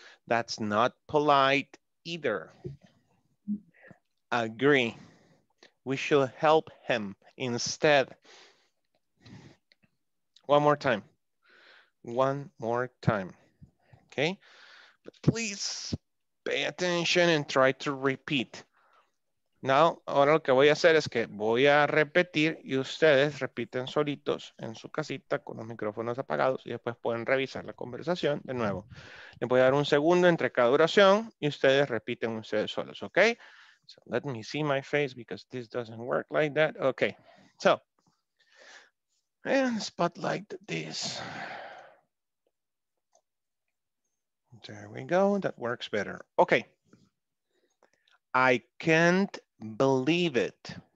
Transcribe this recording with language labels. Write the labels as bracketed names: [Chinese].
[English] That's not polite either. Agree. We should help him instead. One more time. Okay. But please pay attention and try to repeat. [Spanish] Now, ahora lo que voy a hacer es que voy a repetir y ustedes repiten solitos en su casita con los micrófonos apagados y después pueden revisar la conversación de nuevo. Les voy a dar un segundo entre cada oración y ustedes repiten ustedes solos, ¿ok? [English] So let me see my face because this doesn't work like that. Ok, so, and spotlight this. There we go, that works better. Ok. I can't believe it.